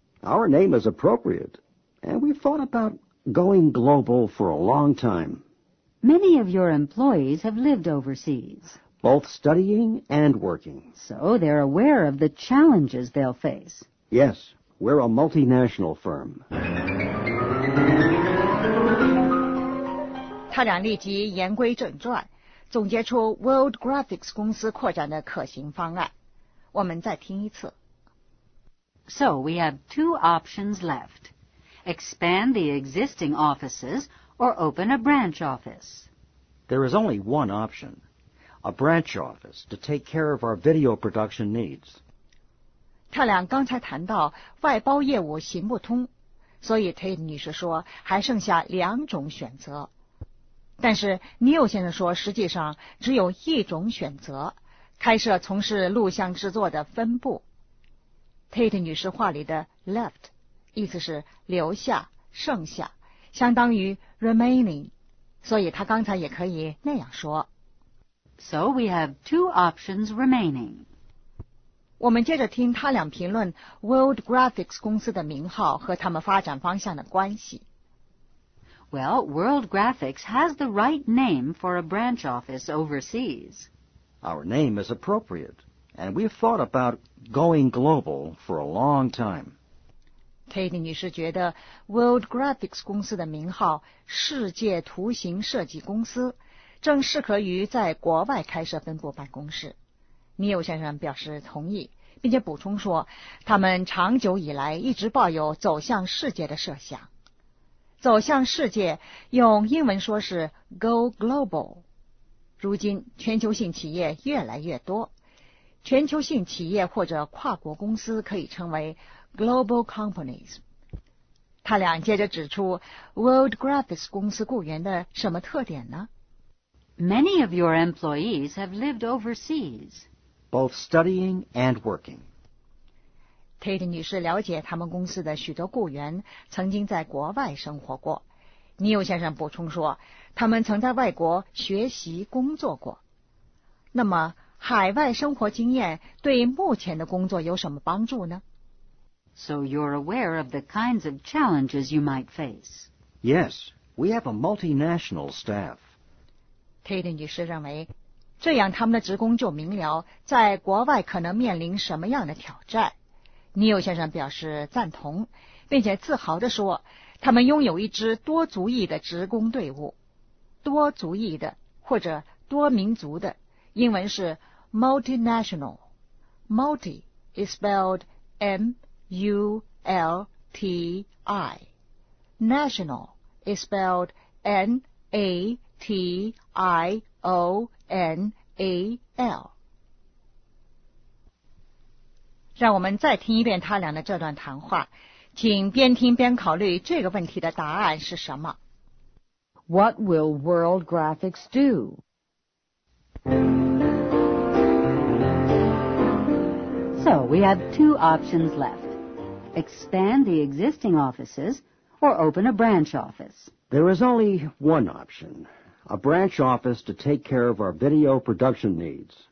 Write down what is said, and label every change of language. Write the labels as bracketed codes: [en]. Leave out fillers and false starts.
[en] Our name is appropriate, and we've thought aboutGoing global for a long time. Many of your employees have lived overseas. Both studying and working. So they're aware of the challenges they'll face. Yes, we're a multinational firm. [zh] 他俩立即言归正传，总结出 World Graphics 公司扩展的可行方案。我们再听一次。 [en] So we have two options left. expand the existing offices, or open a branch office. There is only one option, a branch office to take care of our video production needs. [zh] 他俩刚才谈到外包业务行不通，所以 Tate 女士说还剩下两种选择。但是 Neil 先生说实际上只有一种选择，开设从事录像制作的分部。 Tate 女士话里的 left 意思是留下，剩下，相当于 remaining， 所以她刚才也可以那样说。 [en] So we have two options remaining。 [zh] 我们接着听他俩评论 World Graphics 公司的名号和他们发展方向的关系。 [en] Well, World Graphics has the right name for a branch office overseas. Our name is appropriate, and we've thought about going global for a long time. [zh] Tate 女士觉得 World Graphics 公司的名号世界图形设计公司正适合于在国外开设分部办公室。 Neil 先生表示同意，并且补充说，他们长久以来一直抱有走向世界的设想。走向世界用英文说是 [en] go global。 [zh] 如今全球性企业越来越多，全球性企业或者跨国公司可以称为 [en] global companies。 [zh] 他俩接着指出 World Graphics 公司雇员的什么特点呢？ [en] Many of your employees have lived overseas. Both studying and working. [zh] Tate 女士了解他们公司的许多雇员曾经在国外生活过。 Neil 先生补充说，他们曾在外国学习工作过。那么，海外生活经验对目前的工作有什么帮助呢？ [en] So you're aware of the kinds of challenges you might face. Yes, we have a multinational staff. [zh] Tate 女士认为这样他们的职工就明了在国外可能面临什么样的挑战。 Neil 先生表示赞同，并且自豪地说他们拥有一支多族裔的职工队伍。多族裔的或者多民族的英文是 multinational。 [en] Multi is spelled M-U-L-T-I， National is spelled N-A-T-I-O N-A-L。 [zh] 让我们再听一遍他俩的这段谈话，请边听边考虑这个问题的答案是什么。 [en] What will World Graphics do? So we have two options left. Expand the existing offices or open a branch office. There is only one option. A branch office to take care of our video production needs.